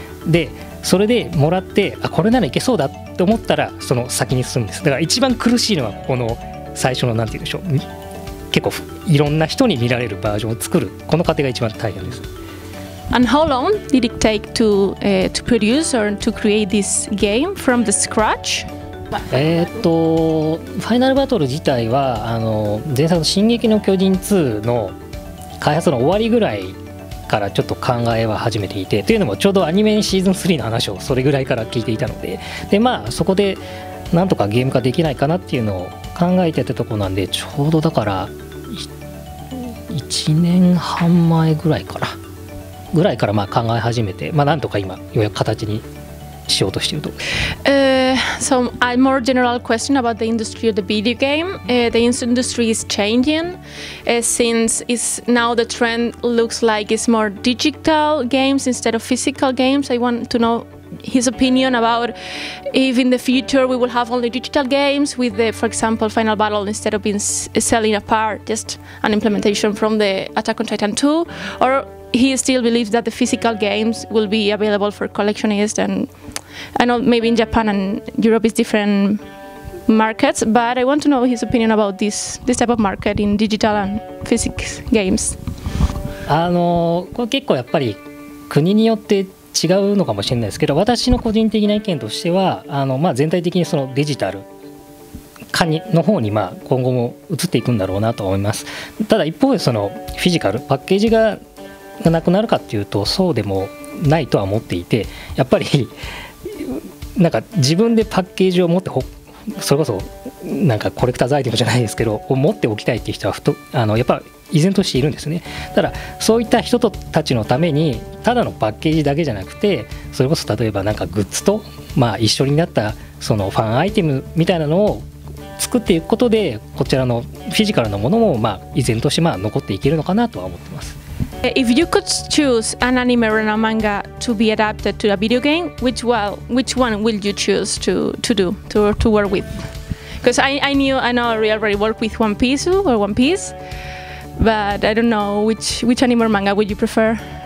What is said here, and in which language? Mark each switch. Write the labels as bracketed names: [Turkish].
[Japanese] で、それでもらって、あ、これならいけそうだって思ったらその先に進むんです。だから一番苦しいのはここの最初のなんて言うんでしょう。結構いろんな人に見られるバージョンを作るこの過程が一番大変です。 [English] And how long did it take to,、to produce or to create this game from the scratch? [Japanese] ファイナルバトル自体は前作の進撃の巨人2の開発の終わりぐらいからちょっと考えは始めていて、というのもちょうどアニメシーズン3の話をそれぐらいから聞いていたので、で、まあそこでなんとかゲーム化できないかなっていうのを考えてたところなんで、ちょうどだから1年半前ぐらいからまあ考え始めて、まあなんとか今ようやく形にしようとしていると。 [English] So a more general question about the industry of the video game. The industry is changing since it's now the trend looks like it's more digital games instead of physical games. I want to know his opinion about if in the future we will have only digital games with the, for example, Final Battle instead of being selling apart just an implementation from the Attack on Titan 2, or he still believes that the physical games will be available for collectionists. And I know maybe in Japan and Europe is different markets, but I want to know his opinion about this type of market in digital and physics games. [Japanese] これ結構やっぱり国によって違うのかもしれないですけど、私の個人的な意見としては、まあ、全体的にそのデジタル化の方にまあ今後も移っていくんだろうなと思います。ただ一方でそのフィジカルパッケージがなくなるかっていうとそうでもないとは思っていて、やっぱりなんか自分でパッケージを持って、それこそなんかコレクターズアイテムじゃないですけど持っておきたいっていう人はやっぱ依然としているんですね。ただそういった人たちのためにただのパッケージだけじゃなくて、それこそ例えばなんかグッズと、まあ、一緒になったそのファンアイテムみたいなのを作っていくことで、こちらのフィジカルのものもまあ依然としてまあ残っていけるのかなとは思ってます。 [English] If you could choose an anime or a manga to be adapted to a video game, which one will you choose to work with? Because I know I already work with One Piece, but I don't know which anime or manga would you prefer?